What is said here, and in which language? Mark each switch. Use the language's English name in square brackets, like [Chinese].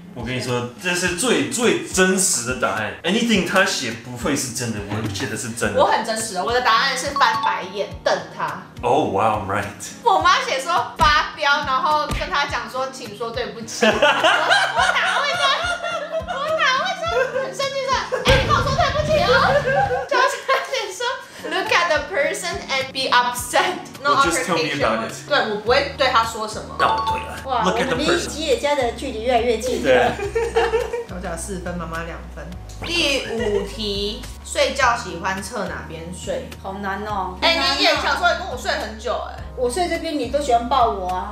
[Chinese] 我跟你说，这是最最真实的答案。Anything 他写不会是真的，我写的是真的。我很真实的，我的答案是翻白眼瞪他。 [English] Oh wow, I'm right。 [Chinese] 我妈写说发飙，然后跟他讲说，请说对不起。我哪会说？很生气的，你跟我说对不起哦。就他写说 ， [English] Look at the person and be upset。 Well, just tell me about it. [Chinese] 对，我不会对他说什么。那我对了。哇， [English] Look at the person. [Chinese] 我们离吉野家的距离越来越近了。对。我讲四分，妈妈两分。第五题，睡觉喜欢侧哪边睡？好难哦。你也想说跟我睡很久哎。我睡这边，你都喜欢抱我啊。